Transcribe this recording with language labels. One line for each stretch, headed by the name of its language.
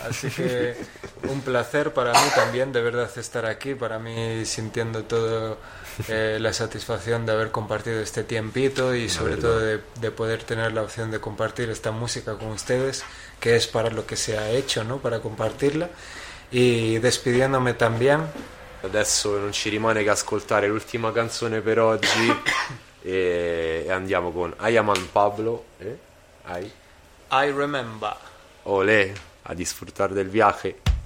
Spanish: Así que un placer para mí también, de verdad, estar aquí, para mí sintiendo todo la satisfacción de haber compartido este tiempito y sobre todo de poder tener la opción de compartir esta música con ustedes, que es para lo que se ha hecho, ¿no? Para compartirla. Y despidiéndome también.
Italian: Adesso non ci rimane che ascoltare l'ultima canzone per oggi e andiamo con I Am Juan Pablo.
English: I Remember.
Spanish: Olé, a disfrutar del viaje.